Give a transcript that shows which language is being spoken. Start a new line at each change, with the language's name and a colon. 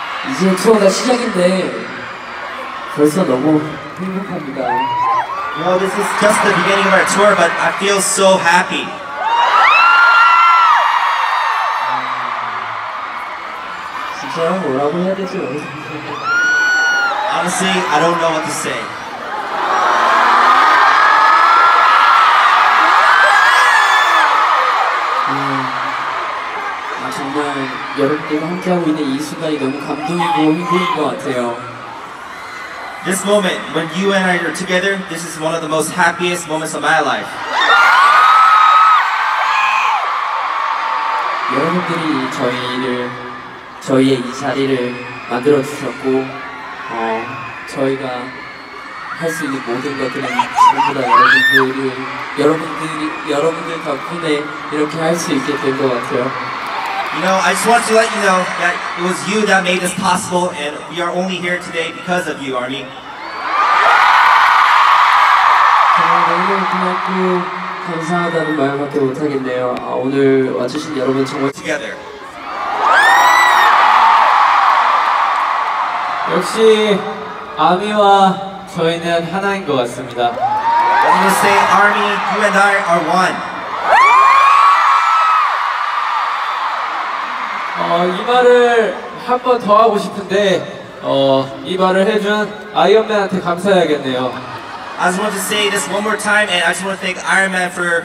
Korean: 이제 투어가 시작인데 벌써 너무 행복합니다.
English: Well, this is just the beginning of our tour, but I feel so happy.
Korean: 진짜 뭐라고 해야 되죠?
English: Honestly, I don't know what to say.
Korean: 정말 여러분들과 함께하고 있는 이 순간이 너무 감동이고 행복인 것 같아요.
English: This moment, when you and I are together, this is one of the most happiest moments of my life.
Korean: 여러분들이 저희의 이 자리를 만들어 주셨고, 저희가 할 수 있는 모든 것들은 전부 다 여러분들 덕분에 이렇게 할 수 있게 된 것 같아요.
English: You know, I just want to let you know that it was you that made this possible, and we are only here today because of you, Army.
Korean: 감사하다는 말밖에 못하겠네요. 오늘 와주신 여러분 정말
English: together.
Korean: 역시 아미와 저희는 하나인 것 같습니다.
English: Let me say, Army, you and I are one.
Korean: 이 말을 한 번 더 하고 싶은데 이 말을 해준 아이언맨한테 감사해야겠네요.
English: I just want to say this one more time and I just want to thank Iron Man for...